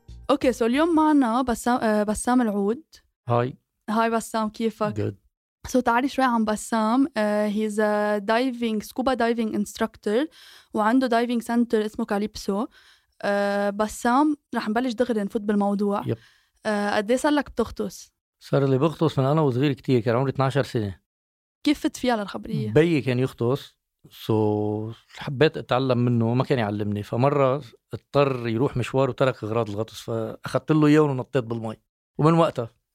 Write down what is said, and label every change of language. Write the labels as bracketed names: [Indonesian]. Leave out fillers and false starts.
[English] Okay, so [Arabic] اليوم معنا بسام العود. [English] Hi [Arabic] بسام, كيفك؟ [English] Good. [Arabic] So تعالي شوي عن بسام. [English] He's a diving, scuba diving instructor [Arabic] وعنده [English] diving center [Arabic] اسمه [English] Calypso. [Arabic] بسام رح نبلش دغري نفوت بالموضوع. [English] Yep. [Arabic] قدي صار لك بتغطس؟ صار اللي بغطس من أنا وصغير كتير, كان عمري 12 سنة. كيف فت فيها للخبرية؟ بيي كان يغطس, سو حبيت أتعلم منه, ما كان يعلمني, فمرة اضطر يروح مشوار وترك أغراض الغطس, فأخذت له إياه ونطيت بالماء, ومن وقتها.